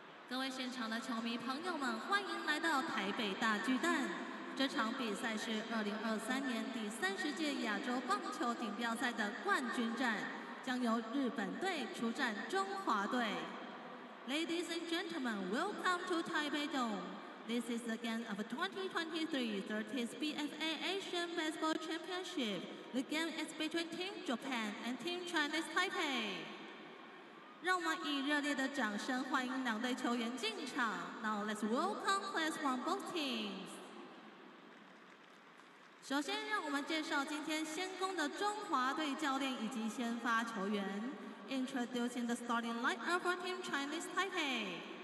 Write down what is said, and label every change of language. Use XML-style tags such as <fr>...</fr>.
<zh>各位现场的球迷朋友们，欢迎来到台北大巨蛋。这场比赛是2023年第30届亚洲棒球锦标赛的冠军战，将由日本队出战中华队。</zh> <en>Ladies and gentlemen, welcome to Taipei Dome. This is the game of 2023 30th BFA Asian Baseball Championship. The game is between Team Japan and Team Chinese Taipei.</en> <zh>让我们以热烈的掌声欢迎两队球员进场。</zh> <en>Now let's welcome players from both teams.</en> <zh>首先，让我们介绍今天先攻的中华队教练以及先发球员。</zh> <en>Introducing the starting lineup for Team Chinese Taipei.</en>